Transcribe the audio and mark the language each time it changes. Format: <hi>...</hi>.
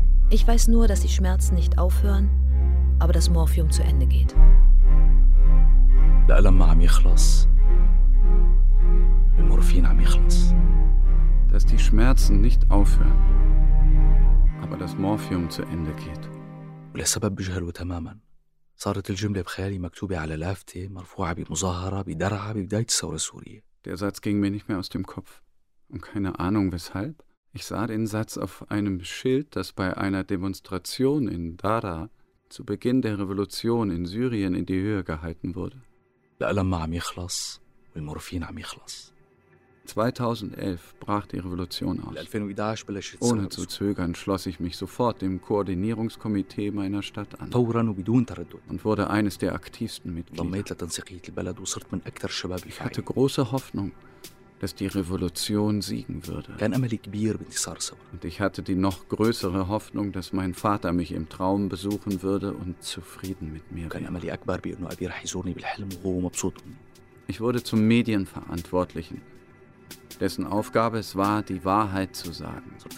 <de>Ich weiß nur, dass die Schmerzen nicht aufhören, aber das Morphium zu Ende geht.</de> <ar>الألم عم يخلص. المورفين عم يخلص.</ar> <de>Dass die Schmerzen nicht aufhören, aber das Morphium zu Ende geht.</de> <ar>ولسبب بجهله تماما. صارت الجملة بخيالي مكتوبة على لافتة مرفوعة بمظاهرة بدرعة ببداية الثورة السورية.</ar> <de>Der Satz ging mir nicht mehr aus dem Kopf. Und keine Ahnung weshalb. Ich sah den Satz auf einem Schild, das bei einer Demonstration in Dara zu Beginn der Revolution in Syrien in die Höhe gehalten wurde.</de> <ar>الألم عم يخلص والمورفين عم يخلص.</ar> <de>2011 brach die Revolution aus.</de> <ar>2011 بلشت الثورة.</ar> <de>Ohne zu zögern schloss ich mich sofort dem Koordinierungskomitee meiner Stadt an.</de> <ar>فورا وبدون تردد.</ar> <de>Und wurde eines der aktivsten Mitglieder.</de> <ar>انضميت لتنسيقية البلد وصرت من أكثر الشباب</ar> <de>الفاعلين. Ich hatte große Hoffnung, dass die Revolution siegen würde.</de> <ar>كان أملي كبير بانتصار الثورة.</ar> <de>Und ich hatte die noch größere Hoffnung, dass mein Vater mich im Traum besuchen würde und zufrieden mit mir</de> <ar>wäre. كان أملي أكبر بأنه أبي رح يزورني بالحلم وهو مبسوط.</ar> <de>Ich wurde zum Medienverantwortlichen, dessen Aufgabe es war, die Wahrheit zu sagen.</de>